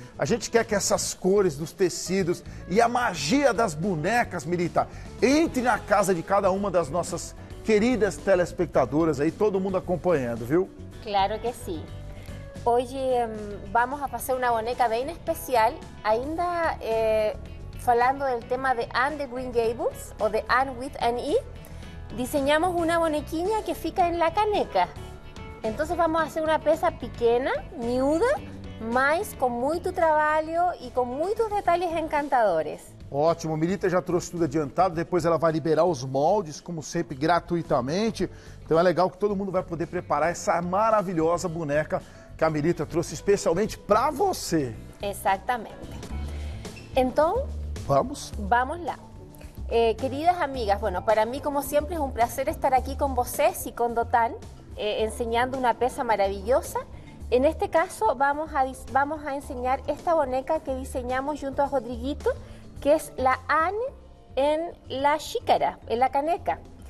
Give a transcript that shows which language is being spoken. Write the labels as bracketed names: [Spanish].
[Portuguese] A gente quer que essas cores dos tecidos e a magia das bonecas, Milita, entre na casa de cada uma das nossas queridas telespectadoras aí, todo mundo acompanhando, viu? Claro que sim. Hoje vamos a fazer uma boneca bem especial, ainda falando do tema de Anne de Green Gables ou de Anne with an E. [Spanish] Diseñamos una bonequinha que fica en la caneca. Entonces vamos a hacer una pieza pequeña, miuda, mas con mucho trabajo y con muchos detalles encantadores. [Portuguese] Ótimo, Milita já trouxe tudo adiantado, depois ela vai liberar os moldes, como sempre, gratuitamente. Então é legal que todo mundo vai poder preparar essa maravilhosa boneca que a Milita trouxe especialmente para você. [Spanish] Exactamente. Entonces, vamos. [Portuguese] Vamos lá. [Spanish] Queridas amigas, bueno, para mí como siempre es un placer estar aquí con vosotros y con Dotan enseñando una pieza maravillosa. En este caso vamos a enseñar esta boneca que diseñamos junto a Rodriguito, que es la Anne en la xícara, en la caneca.